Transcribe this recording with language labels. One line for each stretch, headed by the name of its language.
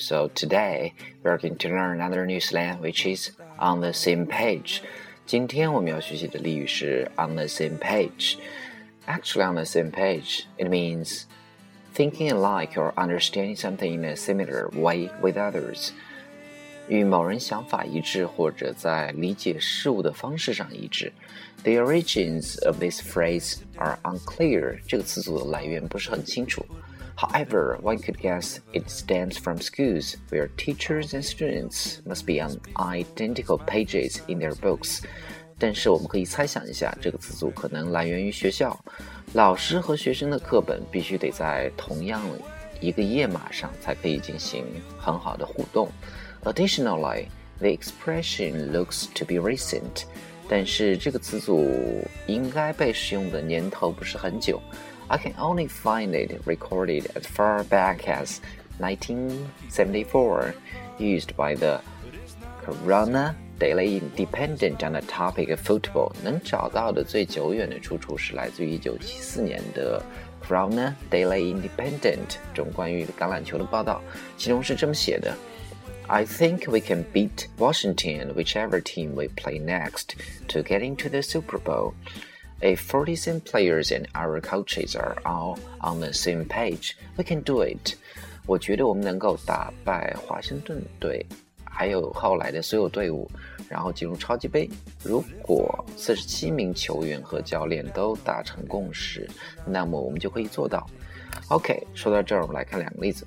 English: So today, we're going to learn another new slang, which is on the same page.
Chinese: 今天我们要学习的俚语是 on the same page.
English: Actually, on the same page, it means thinking alike or understanding something in a similar way with others.
Chinese: 与某人想法一致或者在理解事物的方式上一致。
English: The origins of this phrase are unclear.
Chinese: 这个词组的来源不是很清楚。
English: However, one could guess it stems from schools where teachers and students must be on identical pages in their books.
Chinese: 但是我们可以猜想一下，这个词组可能来源于学校，老师和学生的课本必须得在同样一个页码上才可以进行很好的互动。
English: Additionally, the expression looks to be recent,
Chinese: 但是这个词组应该被使用的年头不是很久。
English: I can only find it recorded as far back as 1974, used by the Corona. Daily Independent on the topic of football.
Chinese: 能找到的最久远的出处是来自于1974年的 Corona Daily Independent 中关于橄榄球的报道，其中是这么写的，
English: I think we can beat Washington, whichever team we play next, to get into the Super Bowl. If 47 players and our coaches are all on the same page, we can do it.
Chinese: 我觉得我们能够打败华盛顿队还有后来的所有队伍，然后进入超级杯。如果47名球员和教练都达成共识，那么我们就可以做到。 OK， 说到这儿我们来看两个例子。